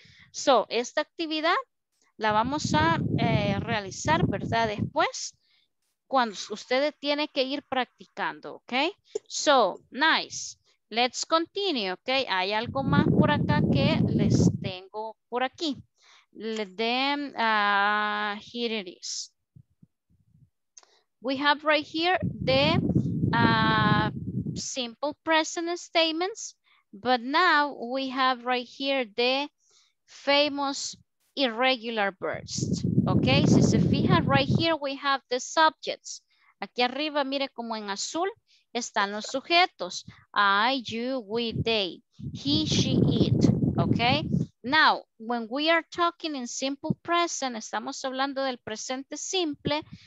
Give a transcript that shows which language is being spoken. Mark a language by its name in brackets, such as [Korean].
[Spanish] So, esta actividad la vamos a realizar, ¿verdad? Después, cuando ustedes tienen que ir practicando, ¿ok? [English] So, nice. Let's continue, [Spanish] ¿ok? Hay algo más por acá que les tengo por aquí. [English] Let them, here it is. We have right here the simple present statements, but now we have right here the famous irregular bursts. Ok, [Spanish] si se fija, [English] right here we have the subjects. [Spanish] Aquí arriba, mire como en azul, están los sujetos. [English] I, you, we, they, he, she, it. Ok, now, when we are talking in simple present, [Spanish] estamos hablando del presente simple.